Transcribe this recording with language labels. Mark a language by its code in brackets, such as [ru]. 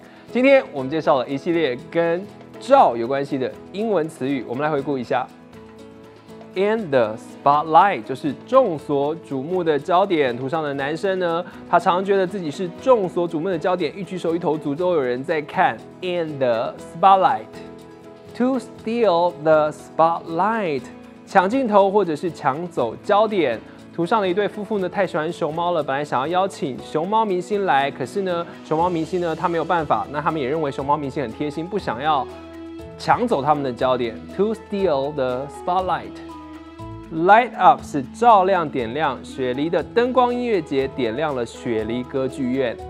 [zh] 今天我们介绍了一系列跟照有关系的英文词语，我们来回顾一下。 In the spotlight 就是众所瞩目的焦点。图上的男生呢，他常常觉得自己是众所瞩目的焦点，一举手一投足都有人在看。 [en] In the spotlight， to steal the spotlight， [zh] 抢镜头或者是抢走焦点。图上的一对夫妇呢，太喜欢熊猫了，本来想要邀请熊猫明星来，可是呢，熊猫明星呢，他没有办法。那他们也认为熊猫明星很贴心，不想要抢走他们的焦点。 [en] To steal the spotlight。 [zh] Light up 是照亮点亮，雪梨的灯光音乐节点亮了雪梨歌剧院。